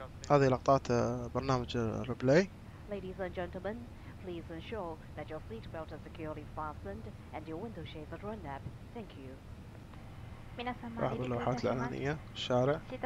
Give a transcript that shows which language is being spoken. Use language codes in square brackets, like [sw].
[ar] هذه لقطات برنامج الريبلاي. [en] Ladies and gentlemen, please ensure that your seat belt is securely fastened and your window shades are drawn up. Thank you. [ar] لاحظوا اللوحات الاعلانيه الشارع.